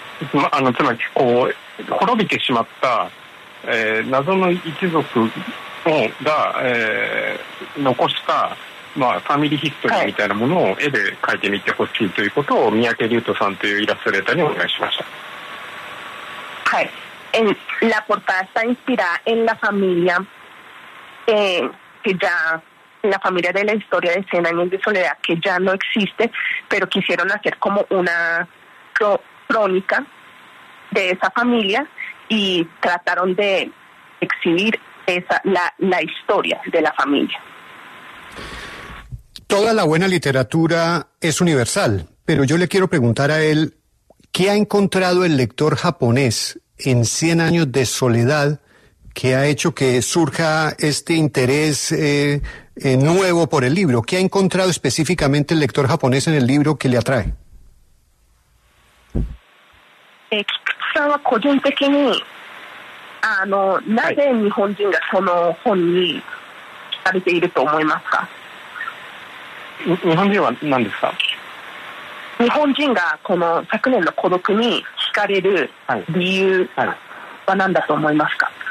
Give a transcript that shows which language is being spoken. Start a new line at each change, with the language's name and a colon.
Japanese: つまりこう滅びてしまった、謎の一族が、残した、まあ、ファミリーヒストリーみたいなものを絵で描いてみてほしいということを、はい、三宅龍斗さんというイラストレーターにお願いしました。
Spanish: はい、La portada está inspirada en la familia、que ya la familia de la historia de 100 años de soledad que ya no existe, pero quisieron hacer como una crónica de esa familia y trataron de exhibir la historia de la familia. Toda la buena literatura es universal, pero yo le quiero preguntar a él, ¿qué ha encontrado el lector japonés en 100 años de soledad que ha hecho que surja este interés nuevo por el libro? ¿Qué ha encontrado específicamente el lector japonés en el libro que le atrae?
Japanese: 個人的に、なぜ日本人がその本に惹かれていると思いますか？日本人は何ですか？日本人がこの昨年の孤独に惹かれる理由は何だと思いますか？